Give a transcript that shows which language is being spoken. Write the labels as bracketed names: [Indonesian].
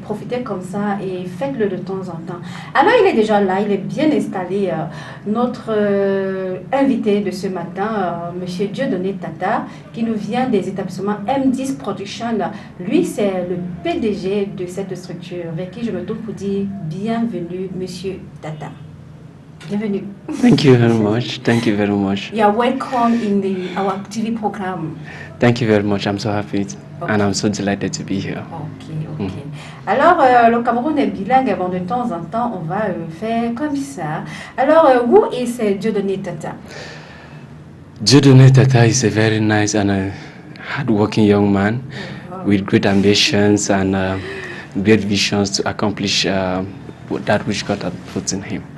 [French] Profitez comme ça et faites-le de temps en temps. Alors, il est déjà là, il est bien installé, notre invité de ce matin, Monsieur Dieudonné Tata, qui nous vient des établissements M10 Production. Lui, c'est le PDG de cette structure, avec qui je me tourne pour dire bienvenue, Monsieur Tata. Bienvenue. [English] Thank you very much. You are welcome in the our TV program. Thank you very much. I'm so happy. Okay. And I'm so delighted to be here. [French] Okay, okay. Alors, le Cameroun est bilingue. Bon, de temps en temps, on va faire comme ça. [English] Alors, who is Dieudonné Tata? Dieudonné Tata is a very nice and a hardworking young man with great ambitions and great visions to accomplish that which God has put in him.